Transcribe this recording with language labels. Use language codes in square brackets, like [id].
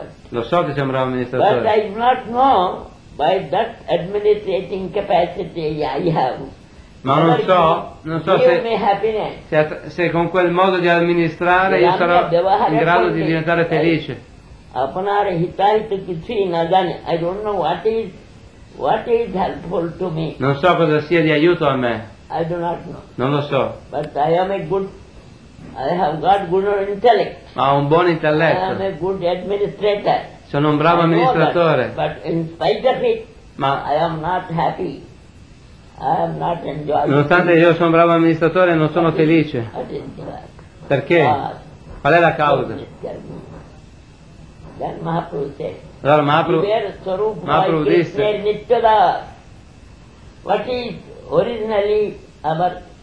[it] Lo so che sei un bravo amministratore. [en] But I do not know. By that administrating capacity I have. [it] Ma non so, non so se, se con quel modo di amministrare io sarò in grado di diventare felice. [en] I don't know what is helpful to me. [it] Non so cosa sia di aiuto a me. [en] I do not know. [it] Non lo so. [en] But I am a good, I have got good intellect. [it] Ma ho un buon intelletto. [en] I am a good administrator. [it] Sono un bravo amministratore. [en] But in spite of it, [it] ma [en] I am not happy. I am not enjoying. [it] Nonostante io sono un bravo amministratore, non sono felice. Perché? Qual è la causa? [en] Then Mahaprabhu said. [it] Allora Mahaprabhu disse. [en] What is originally our